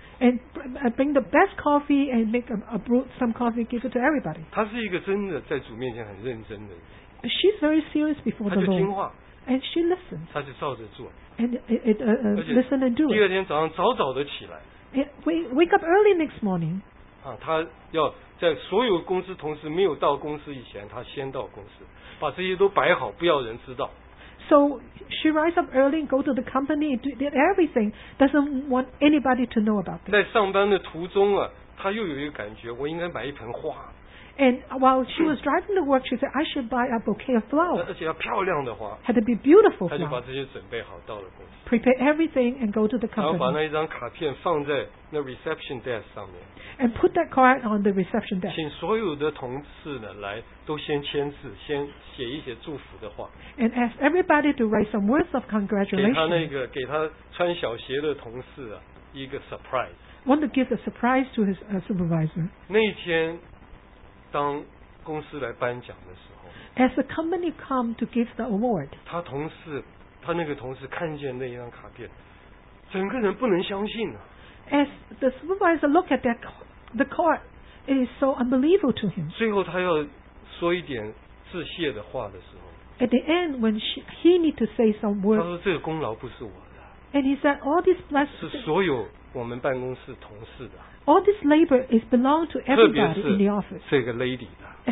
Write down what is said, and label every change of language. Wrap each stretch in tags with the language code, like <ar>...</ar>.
<en>And bring the best coffee and make a brew some coffee, give it to everybody.</en> <zh>她是一个真的在主面前很认真的。</zh> <en>She's very serious before the Lord.</en> <zh>她就听话。</zh> <en>And she listens.</en> <zh>她就照着做。</zh> <en>And listen and do it.</en> <zh>第二天早上早早的起来。</zh> <en>Wake up early next morning.</en> <zh>啊，他要在所有公司同事没有到公司以前，他先到公司，把这些都摆好，不要人知道。</zh> <en>So she rise up early, go to the company, did everything, doesn't want anybody to know about it.</en> <zh>在上班的途中啊，他又有一个感觉，我应该买一盆花。</zh> <en>And while she was driving to work, she said, "I should buy a bouquet of flowers."</en> <zh>而且要漂亮的花。</zh> <en>Had to be beautiful flowers.</en> <zh>他就把这些准备好，到了公司。</zh> <en>Prepare everything and go to the company.</en> <zh>然后把那一张卡片放在那 reception desk 上面。</zh> <en>And put that card on the reception desk.</en> <zh>请所有的同事呢来都先签字，先写一些祝福的话。</zh> <en>And ask everybody to write some words of congratulation.</en> <zh>给他穿小鞋的同事啊一个 surprise.</zh> <en>Want to give a surprise to his supervisor.</en> <zh>那一天。当公司来颁奖的时候</zh> <en>，As the company come to give the award，</en> <zh>他那个同事看见那一张卡片，整个人不能相信啊。</zh> <en>As the supervisor look at that the card, it is so unbelievable to him。</en> <zh>最后他要说一点致谢的话的时候</zh> <en>At the end, when he needed to say some words,</en> <zh>他说这个功劳不是我的。</zh> <en>And he said, all this blessing</en> <zh>是所有我们办公室同事的。</zh> <en>All this labor is belong to everybody in the office.</en> <zh>特别是这个 lady 的。</zh>